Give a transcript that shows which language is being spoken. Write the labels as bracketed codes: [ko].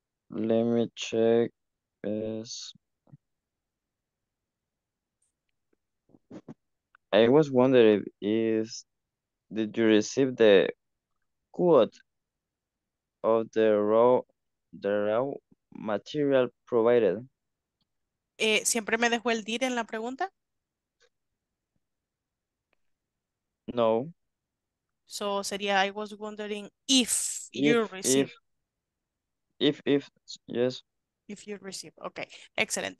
[en] Let me check this. I was wondering, did you receive the quote of the raw material provided? [es] ¿Siempre me dejó el did en la pregunta? No. [en] So sería, I was wondering if you receive, okay, excellent.